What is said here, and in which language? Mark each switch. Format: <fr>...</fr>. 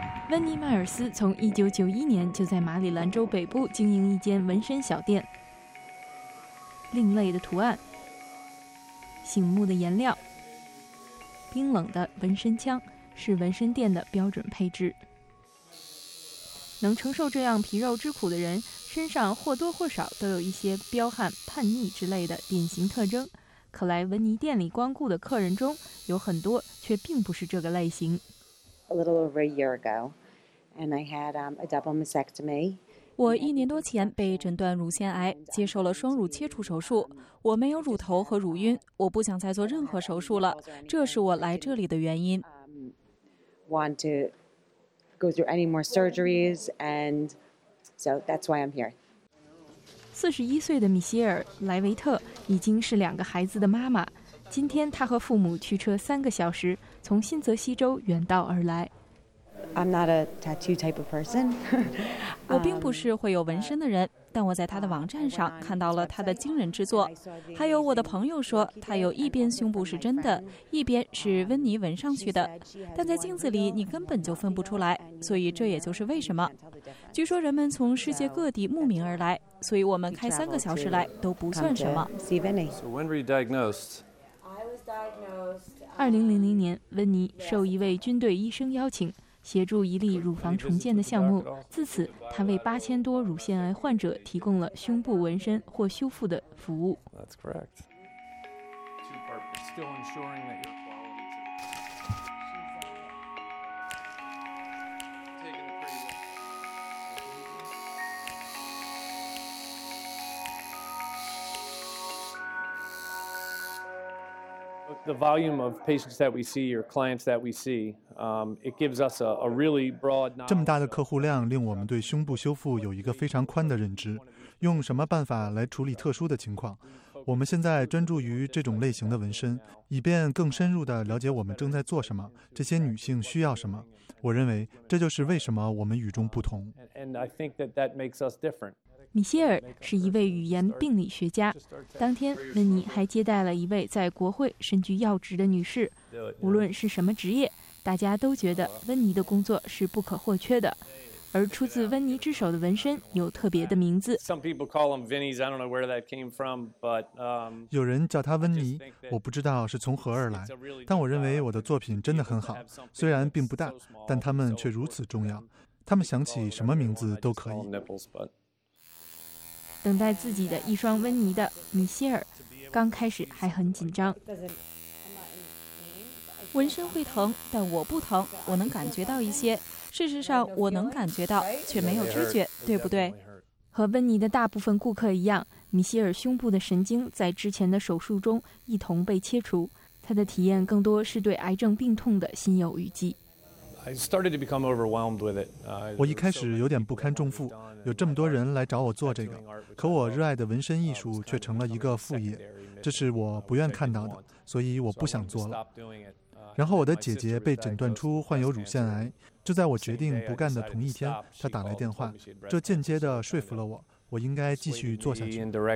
<zh>温妮·迈尔斯从1991年就在马里兰州北部经营一间纹身小店，另类的图案，醒目的颜料，冰冷的纹身枪是纹身店的标准配置。能承受这样皮肉之苦的人身上或多或少都有一些彪悍、叛逆之类的典型特征。可来温妮店里光顾的客人中，有很多却并不是这个类型。</zh> <en>A little over a year ago, and I had a double mastectomy.</en> <zh>我一年多前被诊断乳腺癌，接受了双乳切除手术。我没有乳头和乳晕，我不想再做任何手术了，这是我来这里的原因。</zh> <en>Want to go through any more surgeries and. So that's why I'm here.</en> <zh>41岁的米歇尔·莱维特已经是两个孩子的妈妈。今天她和父母驱车3个小时，从新泽西州远道而来。</zh> <en>I'm not a tattoo type of person.</en> <zh>我并不是会有纹身的人，但我在她的网站上看到了她的惊人之作。还有我的朋友说，她有一边胸部是真的，一边是温妮纹上去的，但在镜子里你根本就分不出来，所以这也就是为什么。据说人们从世界各地慕名而来，所以我们开3个小时来都不算什么。</zh> <en>So when were you diagnosed? I was diagnosed.</en> <zh>2000年，温妮受一位军队医生邀请，协助一例乳房重建的项目。自此，他为8000多乳腺癌患者提供了胸部纹身或修复的服务。</zh> <en>That's correct. Still ensuring that you're... The volume of patients that we see, your clients that we see, it gives us a really broad.</en> <zh>这么大的客户量令我们对胸部修复有一个非常宽的认知。用什么办法来处理特殊的情况？我们现在专注于这种类型的纹身，以便更深入地了解我们正在做什么，这些女性需要什么。我认为这就是为什么我们与众不同。</zh> <en>And I think that makes us different.</en> <zh>米歇尔是一位语言病理学家。当天，温妮还接待了一位在国会身居要职的女士。无论是什么职业，大家都觉得温妮的工作是不可或缺的。而出自温妮之手的纹身有特别的名字。</zh> <en>Some people call them Vinnies. I don't know where that came from, but</en> <zh>有人叫他温妮，我不知道是从何而来。但我认为我的作品真的很好，虽然并不大，但他们却如此重要。他们想起什么名字都可以。等待自己的一双温妮的米歇尔，刚开始还很紧张。纹身会疼，但我不疼，我能感觉到一些。事实上，我能感觉到，却没有知觉，对不对？和温妮的大部分顾客一样，米歇尔胸部的神经在之前的手术中一同被切除。他的体验更多是对癌症病痛的心有余悸。</zh> <en>I started to become overwhelmed with it.</en> <zh>我一开始有点不堪重负，有这么多人来找我做这个，可我热爱的纹身艺术却成了一个副业，这是我不愿看到的，所以我不想做了。然后我的姐姐被诊断出患有乳腺癌，就在我决定不干的同一天，她打来电话，这间接地说服了我，我应该继续做下去。</zh>